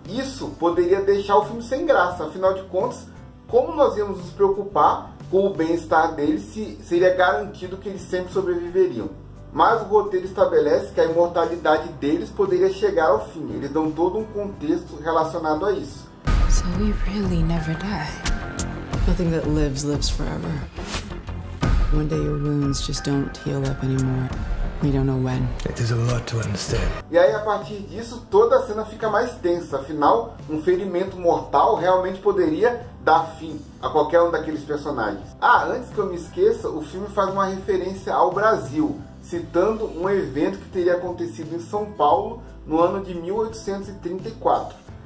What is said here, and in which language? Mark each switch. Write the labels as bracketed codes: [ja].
[pt] Isso poderia deixar o filme sem graça, afinal de contas, como nós íamos nos preocupar com o bem-estar deles se seria garantido que eles sempre sobreviveriam? Mas o roteiro estabelece que a imortalidade deles poderia chegar ao fim, eles dão todo um contexto relacionado a isso. [en] So we really never die. Nothing that lives, lives forever. One day your wounds just don't heal up anymore. We don't know when. It is a lot to understand. [pt] E aí a partir disso, toda a cena fica mais tensa. Afinal, um ferimento mortal realmente poderia dar fim a qualquer um daqueles personagens. Ah, antes que eu me esqueça, o filme faz uma referência ao Brasil, citando um evento que teria acontecido em São Paulo no ano de 1834.